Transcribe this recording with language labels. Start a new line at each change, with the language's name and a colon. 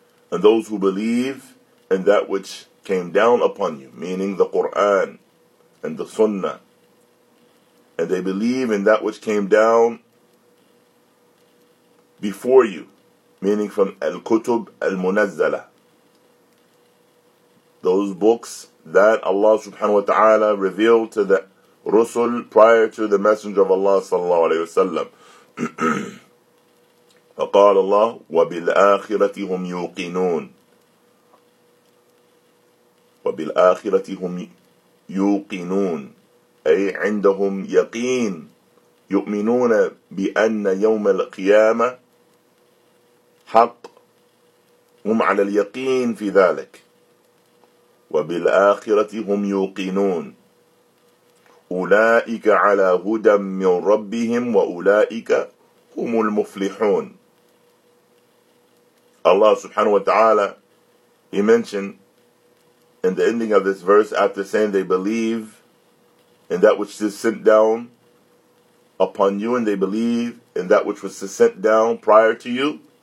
English: And those who believe in that which came down upon you, meaning the Qur'an and the Sunnah, and they believe in that which came down before you, meaning from Al-Kutub Al-Munazzala, those books that Allah subhanahu wa ta'ala revealed to the Rusul prior to the Messenger of Allah sallallahu alayhi wa sallam.
Arabic: فَقَالَ اللَّهُ وَبِالْآخِرَةِ هُمْ يُوقِنُونَ وبالآخرة هم يوقنون أي عندهم يقين يؤمنون بأن يوم القيامة حق هم على اليقين في ذلك وبالآخرة هم يوقنون أولئك على هدى من ربهم وأولئك هم المفلحون. الله سبحانه وتعالى
English: he mentioned in the ending of this verse, after saying they believe in that which is sent down upon you, and they believe in that which was sent down prior to you,